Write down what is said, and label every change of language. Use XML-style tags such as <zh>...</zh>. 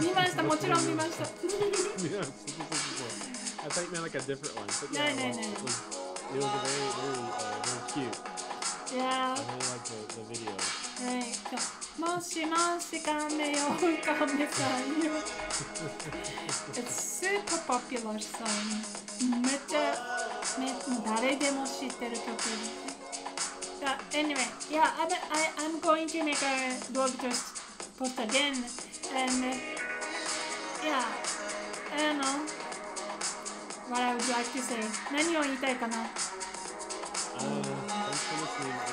<ja>見ました、もちろん見ました。</ja> <en>Yes, I thought you meant like a different one. But yeah, no. It was very, very, very cute. Yeah. I really liked the video. Right.</en> <ja>So, もしもしカメよカメさんよ。</ja> <en>It's super popular song.</en> <ja>めっちゃ、誰でも知ってる曲です。</ja> <en>Anyway, yeah, I'm going to make a blog post again. And yeah, I don't know what I would like to say.</en> <ja>何を言いたいかな?</ja> <en>Thanks for listening.</en>